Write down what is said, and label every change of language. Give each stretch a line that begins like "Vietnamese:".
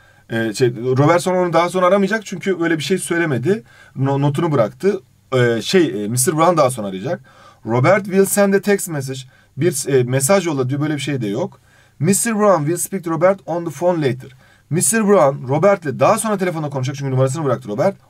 Turkish: Robert onu daha sonra aramayacak çünkü öyle bir şey söylemedi. Notunu bıraktı. Mr. Brown daha sonra arayacak.
English: Robert will send a text message.
Turkish: Bir mesaj yolla diyor, böyle bir şey de yok.
English: Mr. Brown will speak to Robert on the phone later. Mr.
Turkish: Brown Robert'le daha sonra telefonda konuşacak çünkü numarasını bıraktı Robert.